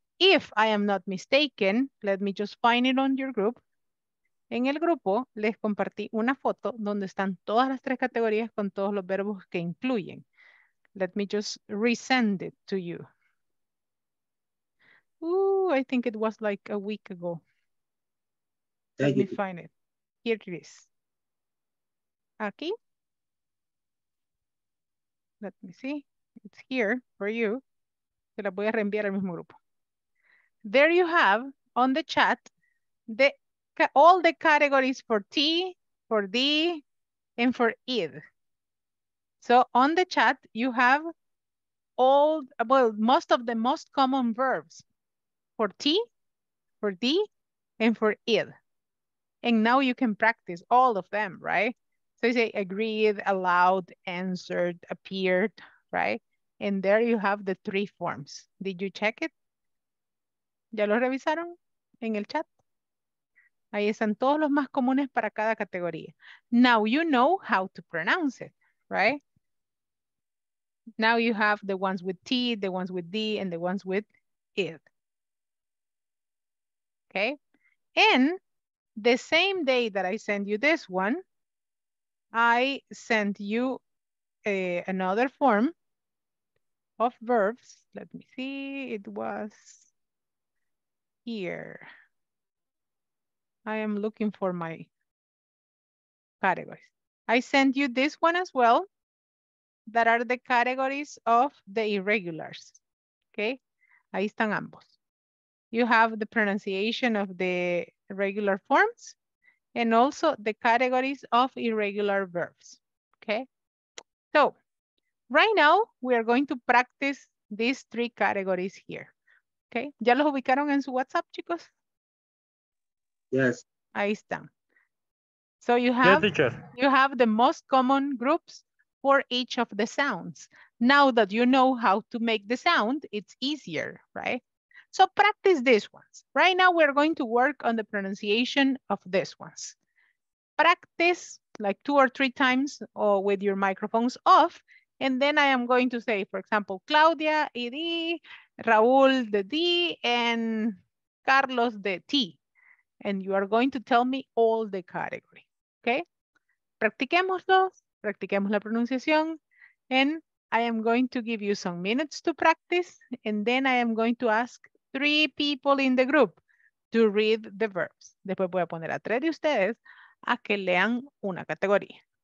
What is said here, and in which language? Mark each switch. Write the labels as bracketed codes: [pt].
[en] If I am not mistaken, let me just find it on your group. [es] En el grupo, les compartí una foto donde están todas las tres categorías con todos los verbos que incluyen. [en] Let me just resend it to you. Ooh, I think it was like a week ago. Let me find it. Here it is. [es] Aquí. [en] Let me see. It's here for you. [es] Se la voy a reenviar al mismo grupo. [en] There you have on the chat the all the categories for T, for D, and for ID. So on the chat you have all, well, most of the most common verbs for T, for D, and for ID. And now you can practice all of them, right? So you say agreed, allowed, answered, appeared, right? And there you have the three forms. Did you check it? [es] ¿Ya lo revisaron en el chat? Ahí están todos los más comunes para cada categoría. [en] Now you know how to pronounce it, right? Now you have the ones with T, the ones with D, and the ones with ID. Okay? And the same day that I sent you this one, I sent you another form of verbs. Let me see, it was here. I am looking for my categories. I sent you this one as well. That are the categories of the irregulars. [es] Okay, ahí están ambos. [en] You have the pronunciation of the regular forms and also the categories of irregular verbs. Okay, so right now we are going to practice these three categories here. [es] Okay, ¿ya los ubicaron en su WhatsApp, chicos? [en] Yes. [es] Ahí están. [en] So you have, yes, teacher. You have the most common groups for each of the sounds. Now that you know how to make the sound, it's easier, right? So practice these ones. Right now we're going to work on the pronunciation of these ones. Practice like two or three times or with your microphones off. And then I am going to say, for example, Claudia, ED, Raul, the D, and Carlos, the T. And you are going to tell me all the category, okay? [es] Practiquémoslo, practiquemos la pronunciación. [en] And I am going to give you some minutes to practice. And then I am going to ask three people in the group to read the verbs. [es] Después voy a poner a tres de ustedes a que lean una categoría.